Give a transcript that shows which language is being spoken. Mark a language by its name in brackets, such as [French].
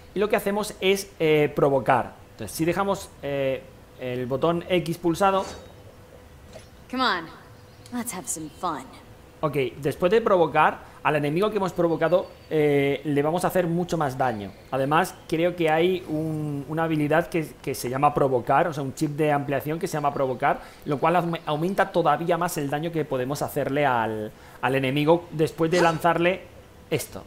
[Spanish] Y lo que hacemos es provocar. Entonces, si dejamos el botón X pulsado. [English] Come on, let's have some fun. [Spanish] Ok, después de provocar, al enemigo que hemos provocado le vamos a hacer mucho más daño. Además, creo que hay una habilidad que se llama provocar, o sea, un chip de ampliación que se llama provocar, lo cual aumenta todavía más el daño que podemos hacerle al enemigo después de lanzarle esto.